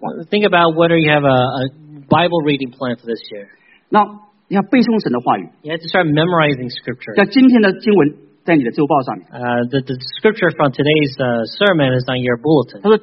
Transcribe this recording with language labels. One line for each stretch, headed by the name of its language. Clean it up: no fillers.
English: think about whether you have a Bible reading plan for this year.
Chinese: 那你要背诵神的话语,
English: you have to start memorizing scripture.
Chinese: 在今天的经文在你的周报上面,
English: the scripture from today's sermon is on your bulletin.